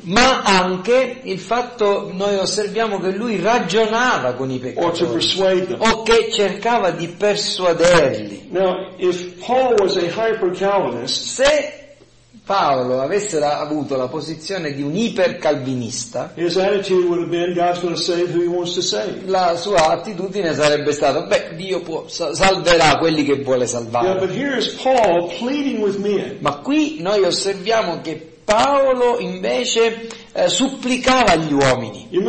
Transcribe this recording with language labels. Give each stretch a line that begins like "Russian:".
Italian: Ma anche il fatto, noi osserviamo che lui ragionava con i peccatori,
English: or to persuade them.
Italian: O che cercava di persuaderli.
English: Now, if Paul was a hyper-Calvinist,
Italian: se Paolo avesse avuto la posizione di un ipercalvinista,
English: his attitude would have been, God's going to save who he wants to save.
Italian: La sua attitudine sarebbe stata, beh, Dio salverà quelli che vuole salvare.
English: Yeah, but here is Paul pleading with men.
Italian: Ma qui noi osserviamo che Paolo invece supplicava gli uomini.